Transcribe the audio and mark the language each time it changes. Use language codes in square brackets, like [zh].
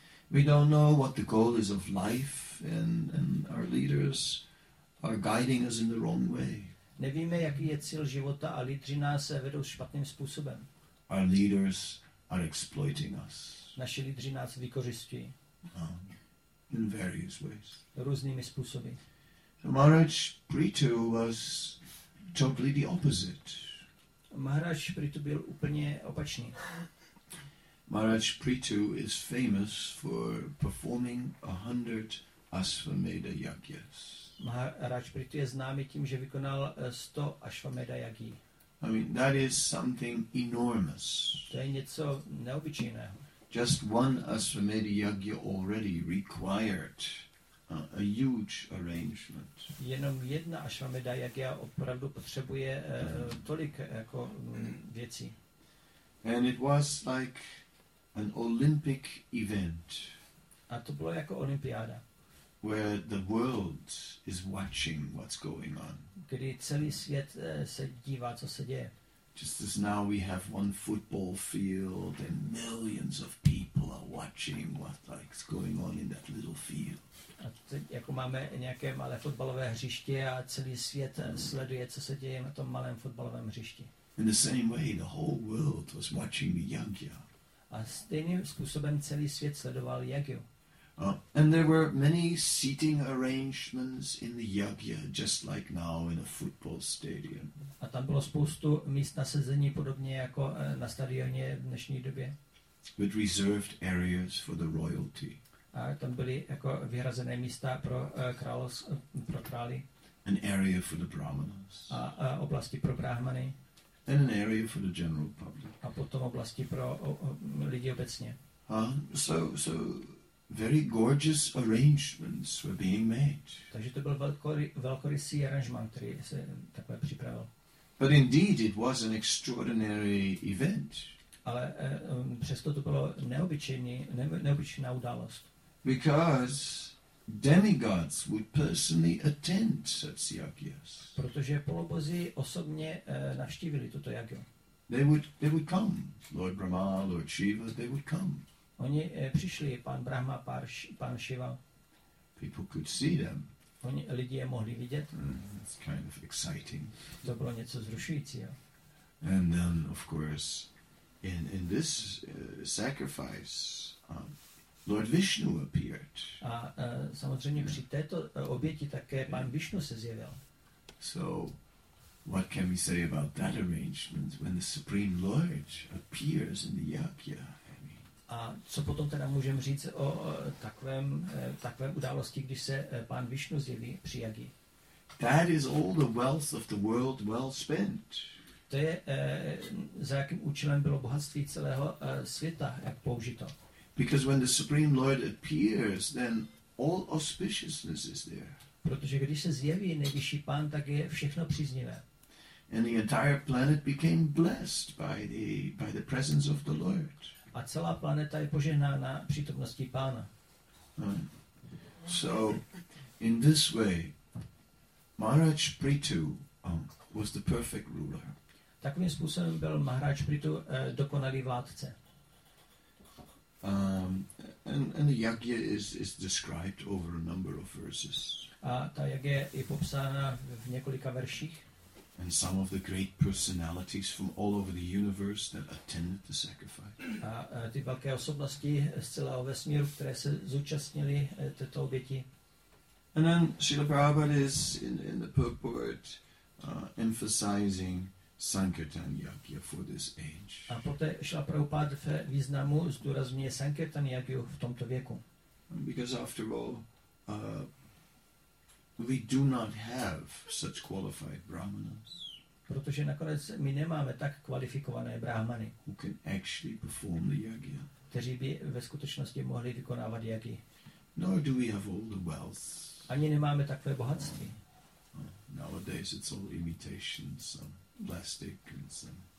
[en] We don't know what the goal is of life, and our leaders are guiding us in the wrong way. [cs] Nevíme, jaký je cíl života a lídři nás vedou špatným způsobem. [en] Our leaders are exploiting us. [cs] Naši lídři nás vykořisťují. [en] In various ways. [cs] Různými způsoby. [en] So Maharaj Prithu was totally the opposite. [cs] Maharaj Prithu byl úplně opačný. [en] Maharaj Prithu is famous for performing 100 Ashvamedha yagyas. [cs] Maharaj Prithu je známý tím, že vykonal 100 Ashvamedha yagy. [en] I mean, that is something enormous. [cs] To je něco neobyčejného. [en] Just one Ashvamedha yagya already required a huge arrangement. [cs] Jenom jedna Ashvamedha yagya opravdu potřebuje tolik jako věcí. [en] And it was like an Olympic event. [cs] A to bylo jako olympiáda. [en] Where the world is watching what's going on. [cs] Kdy celý svět se dívá, co se děje. [en] Just as now we have one football field and millions of people are watching what like is going on in that little field. [cs] A teď jako máme nějaké malé fotbalové hřiště a celý svět sleduje, co se děje na tom malém fotbalovém hřišti. [en] In the same way the whole world was watching the yagya. [cs] A stejným způsobem celý svět sledoval yagyu. [en] And there were many seating arrangements in the yagya, just like now in a football stadium. [cs] A tam bylo spoustu míst na sezení, podobně jako na stadioně v dnešní době. [en] With reserved areas for the royalty. [cs] A tam byly jako vyhrazené místa pro krály. [en] An area for the brahmanas. [cs] A oblasti pro brahmany. [en] And an area for the general public. [cs] A potom oblasti pro lidi obecně. [en] So Very gorgeous arrangements were being made. [cs] Takže to byl velkorysý aranžmán, který se takhle připravil. [en] But indeed it was an extraordinary event. [cs] Ale přesto to bylo neobyčejná událost. [en] Because demigods would personally attend such yagyas. [cs] Protože polobozy osobně navštívili toto yagyo. [en] They would come, Lord Brahma, Lord Shiva, they would come. [cs] Oni přišli, pan Brahma, pan Shiva. [en] People could see them. [cs] Oni lidi je mohli vidět. [en] It's kind of exciting. [cs] To bylo něco zrušujícího. [en] And then, of course, in this sacrifice, Lord Vishnu appeared. [cs] A samozřejmě při této oběti také pan Vishnu se zjevil. [en] So, what can we say about that arrangement when the Supreme Lord appears in the yagya? [cs] A co potom teda můžeme říct o takovém události, když se pán Vishnu zjeví při jagi? [en] That is all the wealth of the world well spent. [cs] To je za jakým účelem bylo bohatství celého světa jak použito. [en] Because when the Supreme Lord appears, then all auspiciousness is there. [cs] Protože když se zjeví nejvyšší pán, tak je všechno příznivé. [en] And the entire planet became blessed by the presence of the Lord. [cs] A celá planeta je požehnána přítomností pána. [en] So, in this way, Maharaj Prithu was the perfect ruler. [cs] Takovým způsobem byl Maharaj Prithu dokonalý vládce. [en] And the yagya is described over a number of verses. [cs] A ta yagya je popsána v několika verších. [en] And some of the great personalities from all over the universe that attended the sacrifice. [cs] A ty velké osobnosti z celého vesmíru, které se zúčastnily této oběti. [en] And then Srila Prabhupada is in the purport emphasizing Sankirtan Yagya for this age. [cs] A poté Srila Prabhupada v významu zdůrazňuje Sankirtan Yagyu v tomto věku. [en] Because after all, we do not have such qualified brahmanas. [cs] Protože nakonec my nemáme tak kvalifikované brahmany, [en] who can actually perform the yagya. [cs] Kteří by ve skutečnosti mohli vykonávat yagy. [en] Nor do we have all the wealth. [cs] Ani nemáme takové bohatství. [en] Nowadays it's all imitations, some plastic and some.